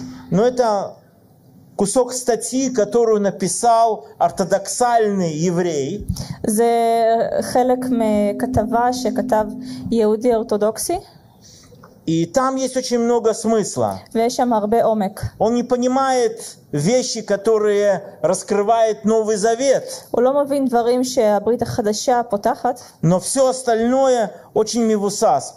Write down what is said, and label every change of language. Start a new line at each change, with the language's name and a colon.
Russian: Но это кусок статьи, которую написал ортодоксальный еврей.
Hebrew: Это חלק מכתבה שכתב יהודי אורתודוקסי.
Russian: И там есть очень много смысла. Он не понимает вещи, которые раскрывает Новый Завет. Но все остальное очень мивусас.